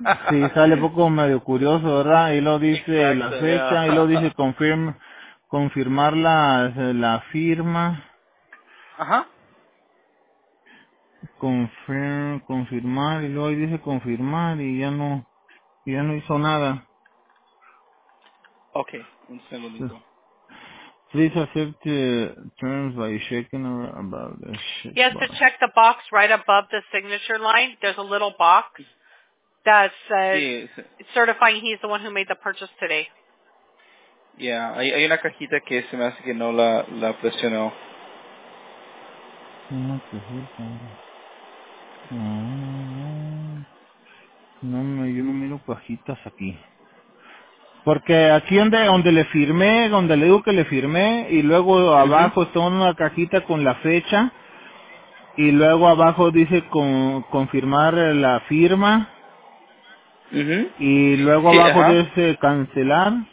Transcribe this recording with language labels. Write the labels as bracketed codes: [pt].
[es] Sí, sale un poco medio curioso, ¿verdad? Y lo dice. Exacto, la fecha, yeah. Y lo dice confirmar la firma. Ajá. Confirmar, y luego ahí dice confirmar, y ya no hizo nada. Okay, un segundito. [en] Please accept the terms by checking above the signature. Yes, to check the box right above the signature line, there's a little box that says certifying he's the one who made the purchase today. [es] Yeah, hay una cajita que se me hace que no la presionó. Una cajita. Yo no miro cajitas aquí. Porque aquí donde le firmé, donde le digo que le firmé, y luego abajo está una cajita con la fecha, y luego abajo dice confirmar la firma, y luego abajo dice cancelar.